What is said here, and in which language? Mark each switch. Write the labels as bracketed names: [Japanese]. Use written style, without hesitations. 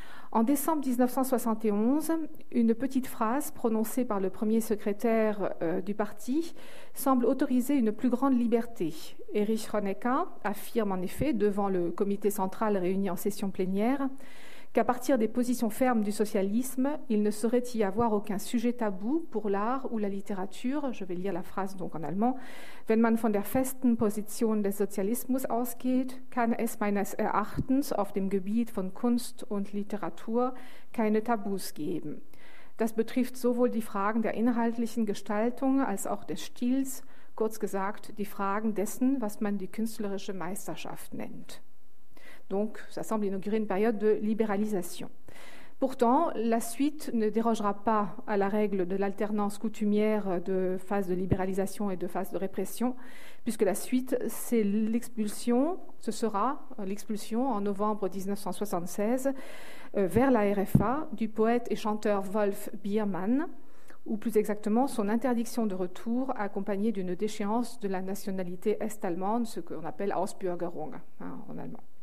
[French] En décembre 1971, une petite phrase prononcée par le premier secrétaire du parti semble autoriser une plus grande liberté. Erich Honecker affirme en effet, devant le comité central réuni en session plénière, qu'à partir des positions fermes du socialisme, il ne saurait y avoir aucun sujet tabou pour l'art ou la littérature. Je vais lire la phrase donc en allemand. [German] Wenn man von der festen Position des Sozialismus ausgeht, kann es meines Erachtens auf dem Gebiet von Kunst und Literatur keine Tabus geben. Das betrifft sowohl die Fragen der inhaltlichen Gestaltung als auch des Stils, kurz gesagt die Fragen dessen, was man die künstlerische Meisterschaft nennt. [French] Donc, ça semble inaugurer une période de libéralisation. Pourtant, la suite ne dérogera pas à la règle de l'alternance coutumière de phases de libéralisation et de phases de répression, puisque la suite, c'est l'expulsion, ce sera l'expulsion en novembre 1976 vers la RFA du poète et chanteur Wolf Biermann, ou plus exactement son interdiction de retour accompagnée d'une déchéance de la nationalité est-allemande, ce qu'on appelle Ausbürgerung en allemand.